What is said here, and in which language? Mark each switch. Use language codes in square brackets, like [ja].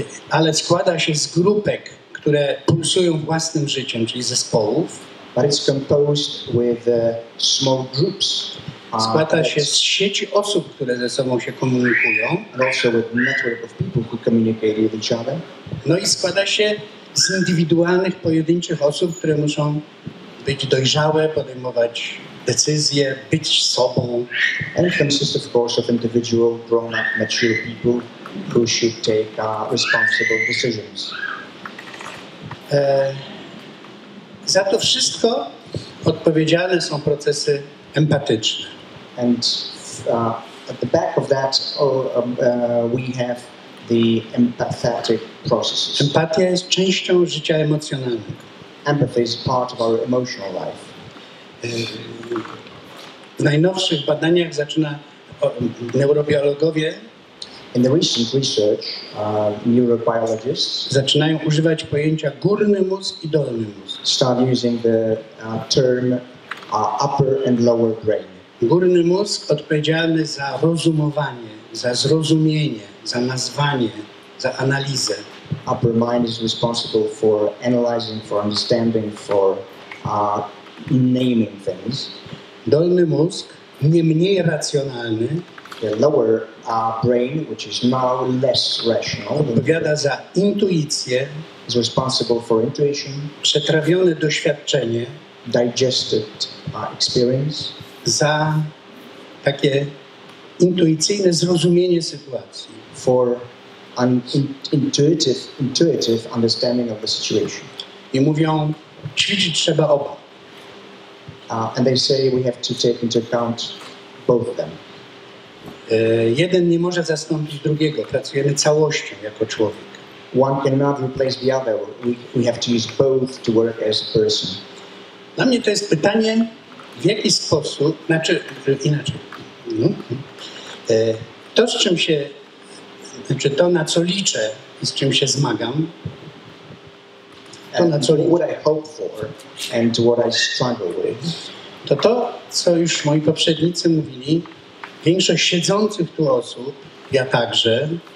[pl] Ale składa się z grupek, które pulsują własnym życiem, czyli zespołów. [en] But it's composed with small groups. [pl] Składa się z sieci osób, które ze sobą się komunikują. [en] And also with network of people who communicate with each other. [pl] No i składa się z indywidualnych, pojedynczych osób, które muszą być dojrzałe, podejmować decyzje, być sobą. [en] And it consists, of course, of individual, grown-up, mature people who should take responsible decisions. [pl] Za to wszystko odpowiedzialne są procesy empatyczne. [en] And at the back of that, we have the empathetic processes. [pl] Empatia jest częścią życia emocjonalnego. [en] Empathy is part of our emotional life. [pl] W najnowszych badaniach zaczyna neurobiologowie. [en] In the recent research, neurobiologists [pl] zaczynają używać pojęcia górny mózg i dolny mózg. [en] Start using the term upper and lower brain. [pl] Górny mózg odpowiedzialny za rozumowanie, za zrozumienie, za nazwanie, za analizę. [en] Upper mind is responsible for analyzing, for understanding, for naming things. [pl] Dolny mózg, nie mniej racjonalny. [en] The lower brain, which is now less rational, [pl] odpowiada za intuicję, [en] is responsible for intuition, [pl] przetrawione doświadczenie, [en] digested experience, [pl] za takie intuicyjne zrozumienie sytuacji, [en] for an intuitive understanding of the situation. [pl] I mówią, ćwiczyć trzeba oba. [en] And they say we have to take into account both of them. [pl] Jeden nie może zastąpić drugiego. Pracujemy całością jako człowiek. [en] One cannot replace the other. We have to use both to work as a person. [pl] Dla mnie to jest pytanie, w jaki sposób, znaczy inaczej. To, z czym się, znaczy to, na co liczę i z czym się zmagam, to, na co liczę, [en] what I hope for and what I struggle with, [pl] to, co już moi poprzednicy mówili, większość siedzących tu osób, ja także.